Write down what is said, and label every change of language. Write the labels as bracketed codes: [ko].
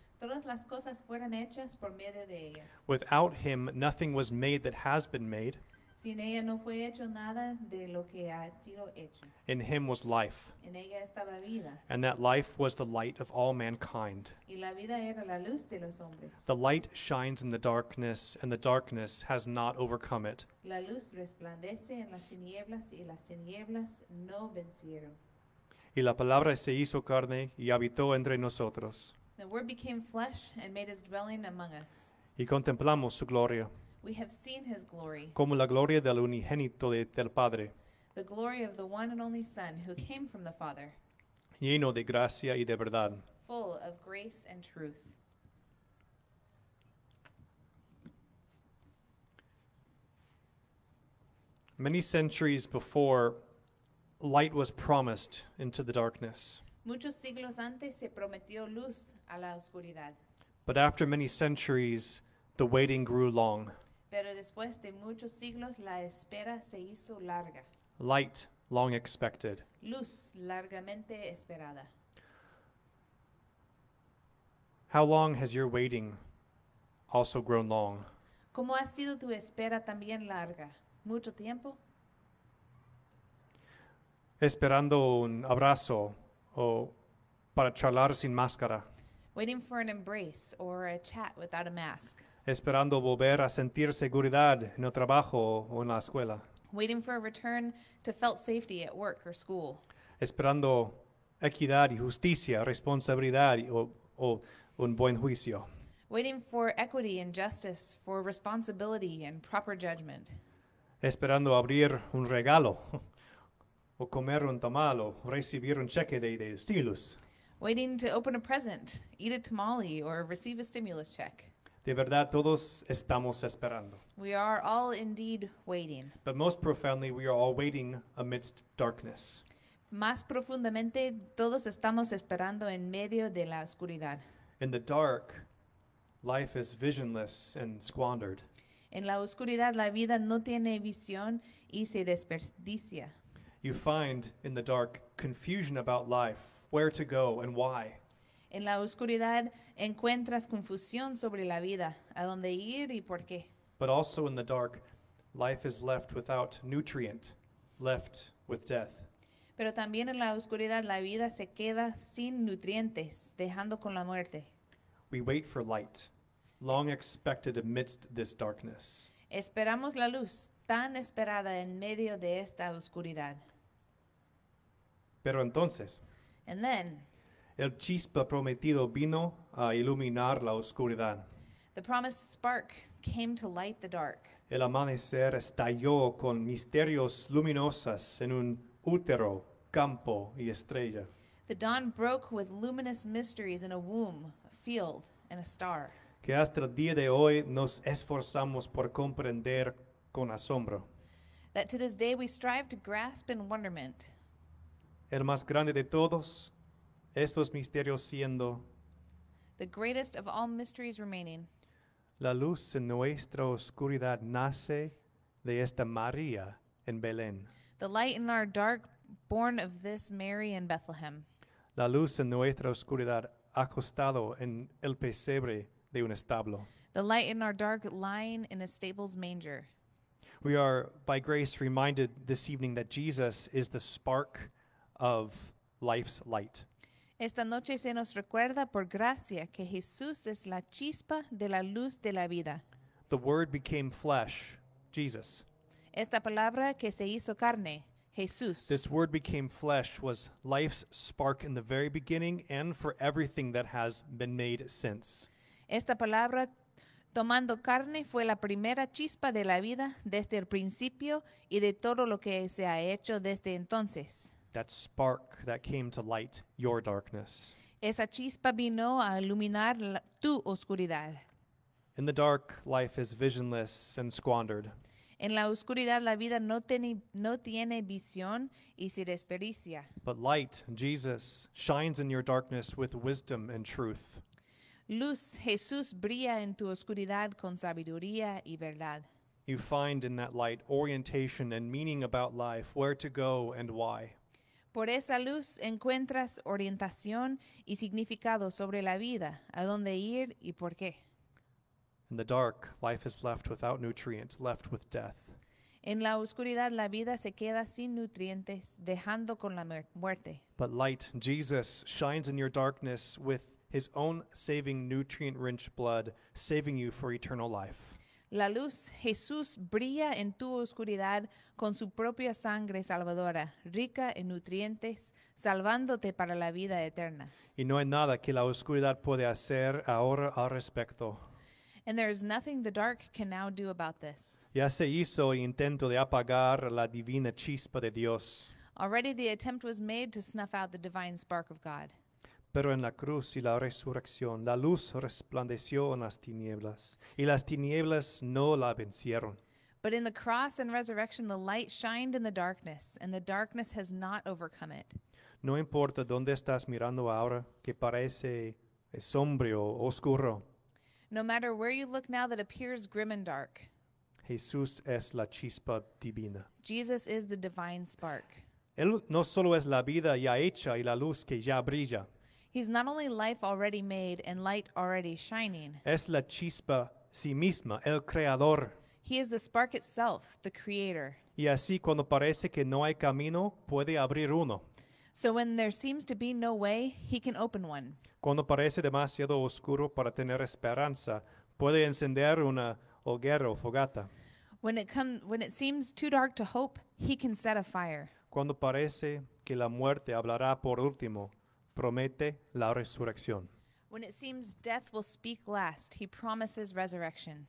[es] Todas las cosas fueron hechas por medio de ella. [en] Without him, nothing was made that has been made. [es] Sin ella no fue hecho nada de lo que ha sido hecho. [en] In him was life. [es] En ella estaba vida. [en] And that life was the light of all mankind. [es] Y la vida era la luz de los hombres. [en] The light shines in the darkness, and the darkness has not overcome it. [es] La luz resplandece en las tinieblas, y las tinieblas no vencieron. Y la palabra se hizo carne y habitó entre nosotros. [en] The Word became flesh and made his dwelling among us. [es] Y contemplamos su gloria. [en] We have seen his glory. [es] Como la gloria del unigénito del Padre. [en] The glory of the one and only Son who came from the Father. [es] Lleno de gracia y de verdad. [en] Full of grace and truth. Many centuries before, light was promised into the darkness. [es] Muchos siglos antes se prometió luz a la oscuridad. [en] But after many centuries, the waiting grew long. [es] Pero después de muchos siglos, la espera se hizo larga. [en] Light, long expected. [es] Luz, largamente esperada. [en] How long has your waiting also grown long? [es] ¿Cómo ha sido tu espera también larga? ¿Mucho tiempo? Esperando un abrazo. O para charlar sin máscara. [en] Waiting for an embrace or a chat without a mask. [es] Esperando volver a sentir seguridad en el trabajo o en la escuela. [en] Waiting for a return to felt safety at work or school. [es] Esperando equidad y justicia, responsabilidad o un buen juicio. [en] waiting for equity and justice, for responsibility and proper judgment. [es] Esperando abrir un regalo, o comer un tamal, o recibir un cheque de estilos. [en] Waiting to open a present, eat a tamale, or receive a stimulus check. [es] De verdad, todos estamos esperando. [en] We are all indeed waiting. But most profoundly, we are all waiting amidst darkness. [es] Más profundamente, todos estamos esperando en medio de la oscuridad. [en] In the dark, life is visionless and squandered. [es] En la oscuridad, la vida no tiene visión y se desperdicia. [en] You find, in the dark, confusion about life, where to go and why. [es] En la oscuridad encuentras confusión sobre la vida, a dónde ir y por qué. [en] But also in the dark, life is left without nutrient, left with death. [es] Pero también en la oscuridad la vida se queda sin nutrientes, dejando con la muerte. [en] We wait for light, long expected amidst this darkness. [es] Esperamos la luz, tan esperada en medio de esta oscuridad. Pero entonces, [en] and then, [es] el chispa prometido vino a iluminar la oscuridad. [en] The promised spark came to light the dark. [es] El amanecer estalló con misterios luminosas en un útero, campo y estrella. [en] The dawn broke with luminous mysteries in a womb, a field, and a star. [es] Que hasta el día de hoy nos esforzamos por comprender con asombro. [en] That to this day we strive to grasp in wonderment. [es] El más grande de todos, estos misterios siendo, [en] the greatest of all mysteries remaining, [es] la luz en nuestra oscuridad nace de esta María en Belén. [en] The light in our dark born of this Mary in Bethlehem. [es] La luz en nuestra oscuridad acostado en el pesebre de un establo. [en] The light in our dark lying in a stable's manger. We are by grace reminded this evening that Jesus is the spark of life's light. [es] Esta noche se nos recuerda por gracia que Jesús es la chispa de la luz de la vida. [en] The Word became flesh, Jesus. [es] Esta palabra que se hizo carne, Jesús. [en] This Word became flesh was life's spark in the very beginning and for everything that has been made since. [es] Esta palabra tomando carne fue la primera chispa de la vida desde el principio y de todo lo que se ha hecho desde entonces. [en] That spark that came to light your darkness. [es] Esa chispa vino a iluminar tu oscuridad. [en] In the dark, life is visionless and squandered. [es] En la oscuridad, la vida no tiene visión y se desperdicia. [en] But light, Jesus, shines in your darkness with wisdom and truth. [es] Luz, Jesús, brilla en tu oscuridad con sabiduría y verdad. [en] You find in that light orientation and meaning about life, where to go and why. [es] Por esa luz encuentras orientación y significado sobre la vida, a dónde ir y por qué. [en] In the dark, life is left without nutrient, left with death. [es] En la oscuridad, la vida se queda sin nutrientes, dejando con la muerte. [en] But light, Jesus, shines in your darkness with his own saving nutrient-rich blood, saving you for eternal life. [es] La luz, Jesús, brilla en tu oscuridad con su propia sangre salvadora, rica en nutrientes, salvándote para la vida eterna. Y no hay nada que la oscuridad puede hacer ahora al respecto. [en] And there is nothing the dark can now do about this. [es] Ya se hizo el intento de apagar la divina chispa de Dios. [en] Already the attempt was made to snuff out the divine spark of God. [es] Pero en la cruz y la resurrección, la luz resplandeció en las tinieblas, y las tinieblas no la vencieron. [en] But in the cross and resurrection, the light shined in the darkness, and the darkness has not overcome it. [es] No importa dónde estás mirando ahora, que parece sombrío, oscuro. [en] No matter where you look now that appears grim and dark. [es] Jesús es la chispa divina. [en] Jesus is the divine spark. [es] Él no solo es la vida ya hecha y la luz que ya brilla. [en] He's not only life already made and light already shining. [es] Es la chispa sí misma, el creador. [en] He is the spark itself, the creator. [es] Y así cuando parece que no hay camino, puede abrir uno. [en] So when there seems to be no way, he can open one. [es] Cuando parece demasiado oscuro para tener esperanza, puede encender una hoguera o fogata. [en] When it seems too dark to hope, he can set a fire. [es] Cuando parece que la muerte hablará por último, promete la resurrección. [en] When it seems death will speak last, he promises resurrection.